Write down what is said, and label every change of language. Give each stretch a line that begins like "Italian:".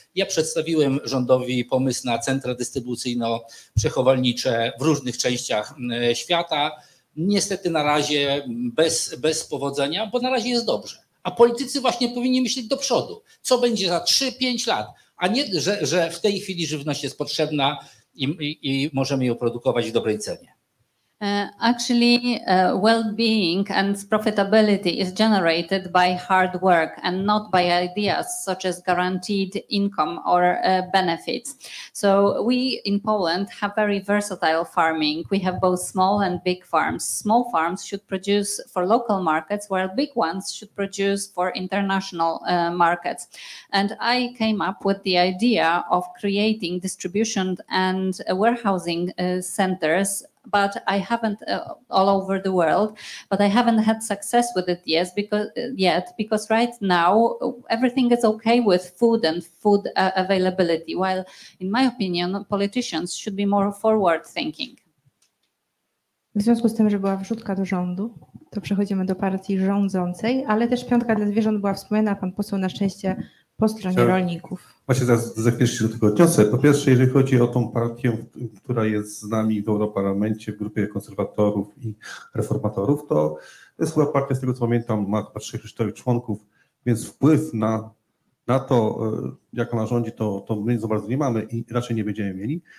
Polish: Ja przedstawiłem rządowi pomysł na centra dystrybucyjno-przechowalnicze w różnych częściach świata. Niestety na razie bez powodzenia, bo na razie jest dobrze. A politycy właśnie powinni myśleć do przodu, co będzie za 3-5 lat. A nie, że w tej chwili żywność jest potrzebna i możemy ją produkować w dobrej cenie.
English: Actually, well-being and profitability is generated by hard work and not by ideas such as guaranteed income or benefits. So we in Poland have very versatile farming. We have both small and big farms. Small farms should produce for local markets, while big ones should produce for international markets. And I came up with the idea of creating distribution and warehousing centers, but I haven't all over the world, but I haven't had success with it yet because right now everything is okay with food and food availability, while in my opinion politicians should be more forward thinking.
Polish: W związku z tym, że była wrzutka do rządu, to przechodzimy do partii rządzącej, ale też piątka dla zwierząt była wspomniana, pan poseł na szczęście po stronie rolników. Właśnie za chwilę się do tego odniosę. Po pierwsze, jeżeli chodzi o tą partię, która jest z nami w Europarlamencie, w grupie konserwatorów i reformatorów, to jest chyba partia, z tego co pamiętam, ma chyba 3-4 członków, więc wpływ na to, jak ona rządzi, to my za bardzo nie mamy i raczej nie będziemy mieli.